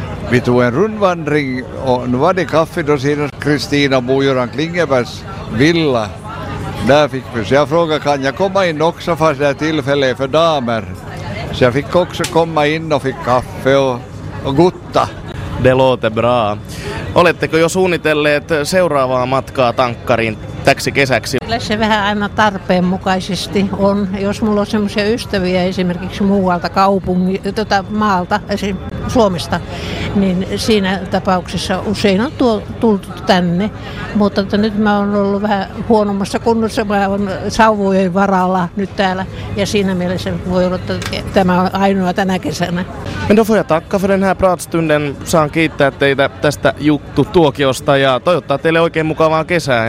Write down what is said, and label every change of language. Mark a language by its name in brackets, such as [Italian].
[Swedish] Vi tog en rundvandring och nu var det kaffe då sedan Kristina Bojuran Klingebergs villa. Där fick vi, så jag frågade, kan jag komma in också fast det är tillfälle för damer? Så jag fick också komma in och fick kaffe och gutta. Det låter bra. [Finnish] Oletteko jo suunnitelleet seuraavaa matkaa tankkariin täksi kesäksi? Kyllä se vähän aina tarpeenmukaisesti on. Jos mulla on semmoisia ystäviä esimerkiksi muualta maalta, esimerkiksi Suomesta, niin siinä tapauksessa usein on tultu tänne. Mutta että nyt mä oon ollut vähän huonommassa kunnossa, mä oon sauvojen varalla nyt täällä. Ja siinä mielessä voi olla, että tämä on ainoa tänä kesänä. [Swedish] Men då får jag tacka för den här pratstunden. [Finnish] Saan kiittää teitä tästä juttutuokiosta ja toivottaa teille oikein mukavaa kesää.